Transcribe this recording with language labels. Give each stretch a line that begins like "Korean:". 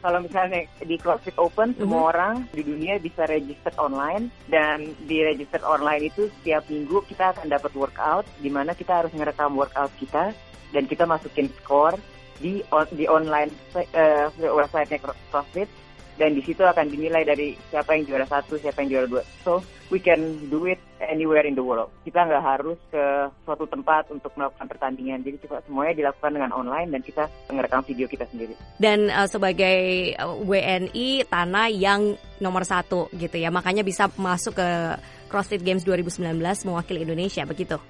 Indonesian: Kalau misalnya di CrossFit Open, mm-hmm. semua orang di dunia bisa register online, dan di register online itu setiap minggu kita akan dapat workout, di mana kita harus ngerekam workout kita dan kita masukin skor di online website-nya CrossFit. Dan di situ akan dinilai dari siapa yang juara satu, siapa yang juara dua.
English: So, we can do it anywhere in the world.
Indonesian: Kita nggak harus ke suatu tempat untuk melakukan pertandingan. Jadi, kita semuanya dilakukan dengan online dan kita ngerekam video kita sendiri. Dan sebagai WNI, Tana yang nomor satu gitu ya. Makanya bisa masuk ke CrossFit Games 2019 mewakili Indonesia, begitu?